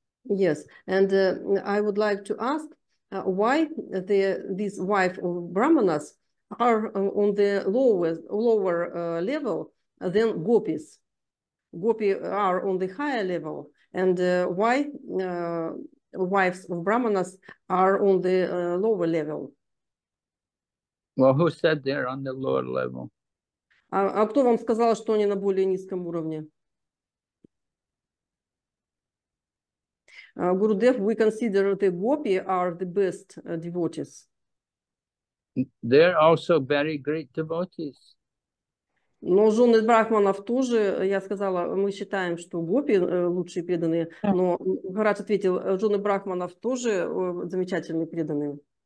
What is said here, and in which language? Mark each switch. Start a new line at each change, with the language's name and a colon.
English: Yes, and I would like to ask why these wives of Brahmanas are on the lower level than gopis. Gopi are on the higher level, and why wives of Brahmanas are on the lower level? Well, who said they're on the lower level?
Russian: А кто вам сказал, что они на более низком уровне?
English: Gurudev, we consider the gopi are the best devotees. They're also very great devotees.
Russian: Но жены брахманов тоже, я сказала, мы считаем, что гопи лучшие преданные.
English: Yeah.
Russian: Но Гарадж ответил, жены брахманов тоже замечательные преданные.